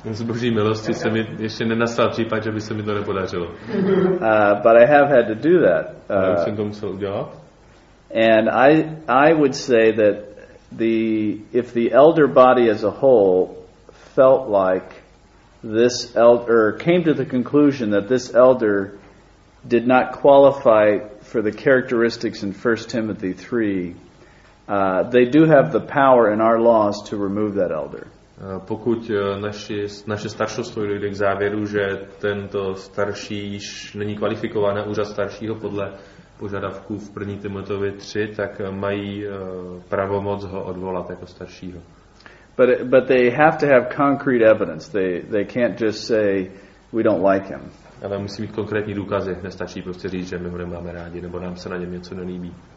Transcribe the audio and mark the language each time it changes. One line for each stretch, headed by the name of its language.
Czech: Z Boží milosti se mi ještě nenastal případ, že by se mi to nepodařilo.
English: But I have had to do that.
Czech: Já jsem to musel udělat.
English: And I would say that if the elder body as a whole felt like this elder came to the conclusion that this elder did not qualify for the characteristics in 1 Timothy 3, they do have the power in our laws to remove that elder.
Czech: Pokud naše staršostvo dojde k závěru, že tento starší již není kvalifikován na úřad staršího podle požadavků v 1. Timotovi 3, tak mají pravomoc ho odvolat jako staršího.
English: But they have to have concrete evidence. They can't just say we don't like him.
Czech: Ale musí mít konkrétní důkazy. Nestačí prostě říct, že my ho nemáme rádi nebo nám se na něm něco nelíbí.